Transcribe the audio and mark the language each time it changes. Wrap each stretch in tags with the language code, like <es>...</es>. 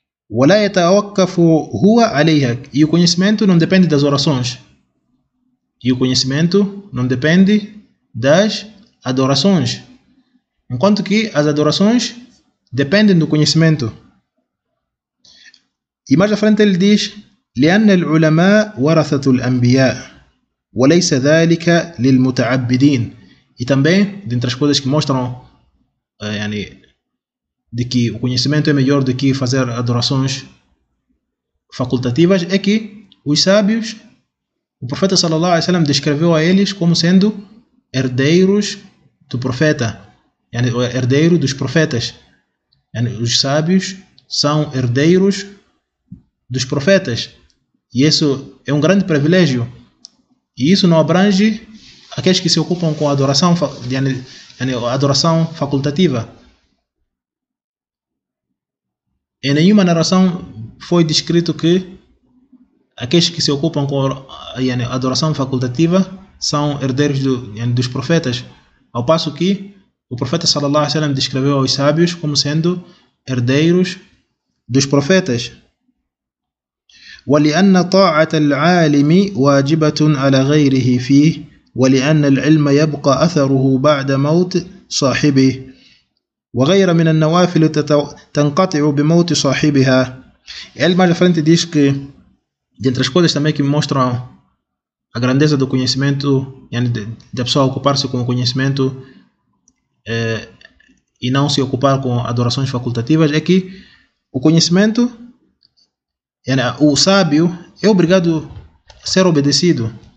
<ar>وَلَا يَتَوَكَّفُ هُوَ عَلَيْهَا.</ar> <pt>E o conhecimento não depende das orações. E o conhecimento não depende das adorações. Enquanto que as adorações dependem do conhecimento. E mais à frente ele diz:</pt> <ar>لِأَنَّ الْعُلَمَاء وَرَثَةُ الْأَنْبِيَاءِ وَلَيْسَ ذَلِكَ لِلْمُتَعَبِّدِينَ.</ar> <pt>E também, dentre as coisas que mostram de que o conhecimento é melhor do que fazer adorações facultativas, é que os sábios O profeta sallallahu alaihi wasallam descreveu a eles como sendo herdeiros do profeta, yani, herdeiro dos profetas. Yani, os sábios são herdeiros dos profetas. E isso é um grande privilégio. E isso não abrange aqueles que se ocupam com a adoração, adoração facultativa. Em nenhuma narração foi descrito que aqueles que se ocupam com a adoração facultativa são herdeiros dos profetas, ao passo que o profeta sallallahu alaihi wasallam descreveu aos sábios como sendo herdeiros dos profetas.</pt> <ar>ولأن طاعة العالم واجبة على غيره فيه ولأن العلم يبقى أثره بعد موت صاحبه وغير من النوافل تنقطع بموت صاحبها.</ar> <pt>Ele mais à frente diz que dentre as coisas também que mostram a grandeza do conhecimento, da pessoa ocupar-se com o conhecimento e não se ocupar com adorações facultativas, é que o conhecimento, o sábio, é obrigado a ser obedecido.</pt>